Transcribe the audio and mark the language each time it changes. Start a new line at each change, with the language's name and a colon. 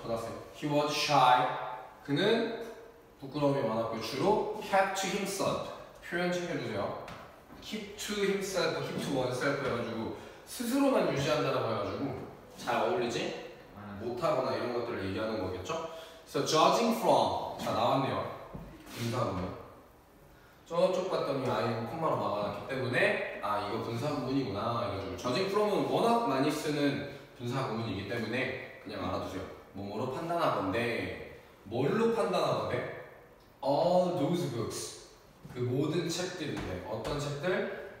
Korean: 전학생.
English: He was shy.
Korean: 그는 부끄러움이 많았고 주로
English: kept to himself.
Korean: 표현 챙겨주세요.
English: Keep to himself, keep to oneself
Korean: 해가지고 스스로만 유지한다라고 해가지고 잘 어울리지? 못하거나 이런 것들을 얘기하는 거겠죠?
English: So judging from
Korean: 자 나왔네요. 분사구문 저쪽 봤더니 아예 콤마로 막아놨기 때문에 아 이거 분사구문이구나 해가지고 judging from은 워낙 많이 쓰는 분사구문이기 때문에 그냥 알아두세요. 뭐뭐로 판단하건데 뭘로 판단하건데
English: All those books
Korean: 그 모든 책들인데 어떤 책들?